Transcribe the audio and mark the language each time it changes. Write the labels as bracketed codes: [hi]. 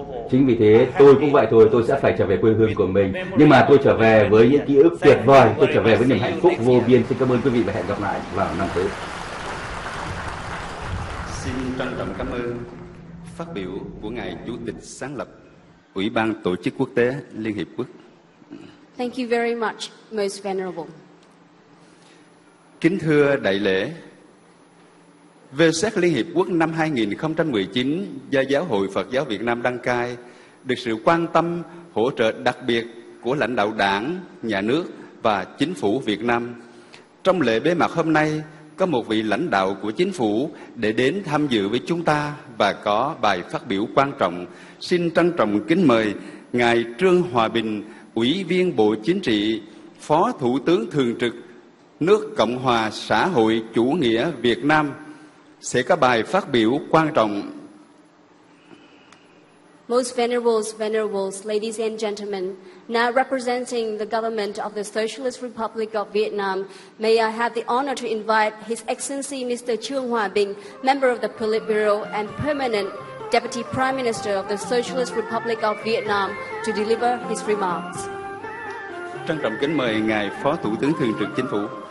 [vi] Chính vì thế tôi cũng vậy thôi, tôi sẽ phải trở về quê hương của mình, nhưng mà tôi trở về với những ký ức tuyệt vời, tôi trở về với niềm hạnh phúc vô biên. Xin cảm ơn quý vị và hẹn gặp lại vào năm tới. Xin trân trọng cảm ơn phát biểu của Ngài Chủ tịch sáng lập Ủy ban Tổ chức Quốc tế Liên Hiệp Quốc. [en] Thank you very much, most venerable. [vi] Kính thưa đại lễ, VSEC Liên Hiệp Quốc năm 2019 do Giáo hội Phật giáo Việt Nam đăng cai, được sự quan tâm, hỗ trợ đặc biệt của lãnh đạo đảng, nhà nước và chính phủ Việt Nam. Trong lễ bế mạc hôm nay, có một vị lãnh đạo của chính phủ để đến tham dự với chúng ta và có bài phát biểu quan trọng. Xin trân trọng kính mời Ngài Trương Hòa Bình, Ủy viên Bộ Chính trị, Phó Thủ tướng Thường trực nước Cộng hòa Xã hội Chủ nghĩa Việt Nam sẽ có bài phát biểu quan trọng. [en] Most venerables, ladies and gentlemen, now representing the government of the Socialist Republic of Vietnam, may I have the honor to invite His Excellency Mr. Trương Hòa Bình, member of the Politburo and permanent Deputy Prime Minister of the Socialist Republic of Vietnam, to deliver his remarks. [vi] Trân trọng kính mời Ngài Phó Thủ tướng Thường trực Chính phủ.